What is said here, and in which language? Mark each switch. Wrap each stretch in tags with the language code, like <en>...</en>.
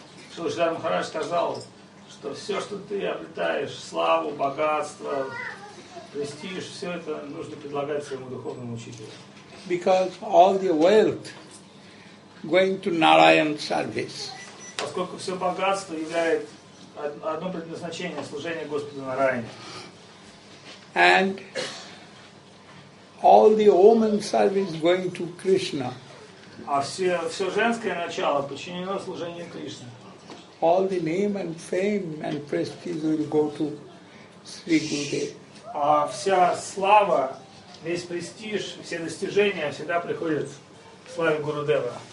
<ru>So Sri Maharaj сказал, что все, что ты обретаешь, славу, богатство, престиж, все это нужно предлагать своему духовному учителю.</ru> <en>Because all the wealth going to Narayan service.</en> <ru>Поскольку все богатство имеет одно предназначение — служение Господу Нараяне.</ru> <en>And all the woman service going to Krishna.</en> <ru>А все женское начало подчинено служению Кришне.</ru> <en>All the name and fame and prestige will go to Sri Gurudev.</en> <ru>А вся слава, весь престиж, все достижения всегда приходят к славе Гурудева.</ru>